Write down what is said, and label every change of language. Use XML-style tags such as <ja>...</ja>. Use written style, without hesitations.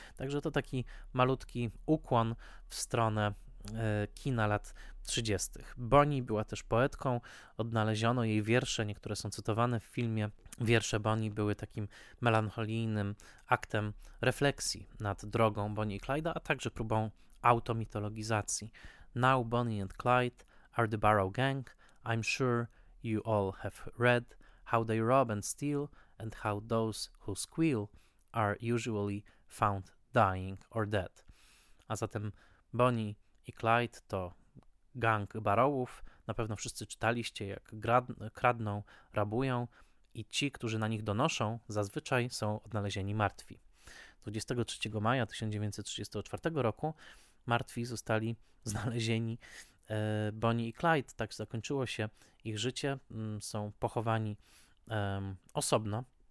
<pl>Także to taki malutki ukłon w stronę kina lat 30. Bonnie była też poetką, odnaleziono jej wiersze, niektóre są cytowane w filmie. Wiersze Bonnie były takim melancholijnym aktem refleksji nad drogą Bonnie i Clyda, a także próbą automitologizacji.</pl> <en>Now Bonnie and Clyde are the Barrow Gang. I'm sure you all have read how they rob and steal and how those who squeal are usually found dying or dead.</en> <pl>A zatem Bonnie i Clyde to gang Barrowów, na pewno wszyscy czytaliście, jak kradną, rabują i ci, którzy na nich donoszą, zazwyczaj są odnalezieni martwi. 23 maja 1934 roku martwi zostali znalezieni Bonnie i Clyde, tak zakończyło się ich życie, są pochowani osobno.</pl>